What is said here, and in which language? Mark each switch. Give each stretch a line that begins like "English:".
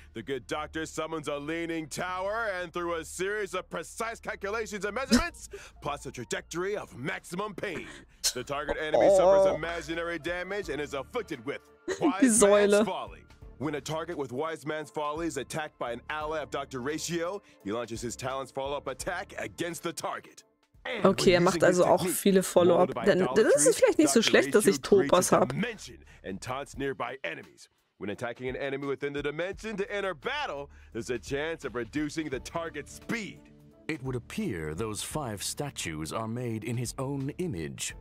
English: The good doctor summons a leaning tower and through a series of precise calculations and measurements, plus a trajectory of maximum pain. The target enemy suffers imaginary damage and is afflicted with wise man's folly. When a target with wise man's folly is attacked by an ally of Dr. Ratio, he launches his talents follow-up attack against the target.
German: Okay, er macht also auch viele Follow-up. Das ist vielleicht nicht so schlecht, dass ich Topas habe.
English: And taunts nearby enemies. When attacking an enemy within the dimension to enter battle, there's a chance of reducing the target's speed. It would appear those five statues are made in his own image.